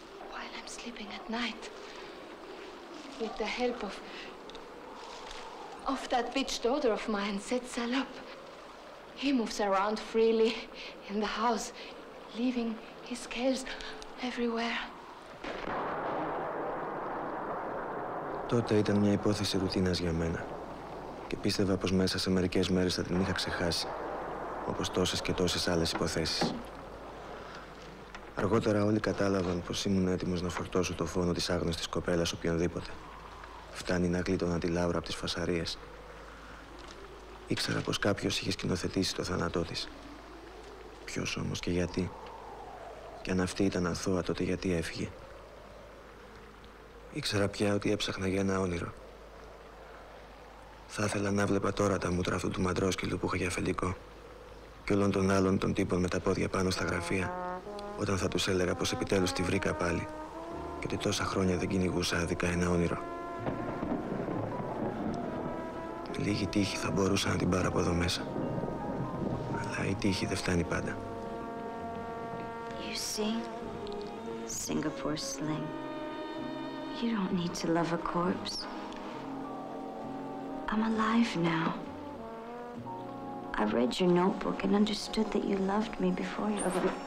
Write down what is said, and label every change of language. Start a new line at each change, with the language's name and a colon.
English: While I'm sleeping at night, with the help of that bitch daughter of mine, said salope, he moves around freely in the house, leaving his scales everywhere.
Greek: Τότε ήταν μια υπόθεση ρουτίνας για μένα. Και πίστευα πως μέσα σε μερικές μέρες θα την είχα ξεχάσει, όπως τόσες και τόσες άλλες υποθέσεις. Αργότερα όλοι κατάλαβαν πως ήμουν έτοιμος να φορτώσω το φόνο της άγνωστης κοπέλας οποιονδήποτε. Φτάνει να γλίτωνα τη Λάβρα από τις φασαρίες. Ήξερα πως κάποιος είχε σκηνοθετήσει το θάνατό της. Ποιος όμως και γιατί. Και αν αυτή ήταν αθώα, τότε γιατί έφυγε. Ήξερα πια ότι έψαχνα για ένα όνειρο. Θα ήθελα να βλέπα τώρα τα μούτρα αυτού του μαντρόσκυλου που είχα για αφεντικό και όλων των άλλων των τύπων με τα πόδια πάνω στα γραφεία, όταν θα τους έλεγα πως επιτέλους τη βρήκα πάλι και ότι τόσα χρόνια δεν κυνηγούσα άδικα ένα όνειρο. Με λίγη τύχη θα μπορούσα να την πάρω από εδώ μέσα. Αλλά η τύχη δεν φτάνει πάντα.
English: You see, Singapore Sling, you don't need to love a corpse. I'm alive now. I read your notebook and understood that you loved me before you ever...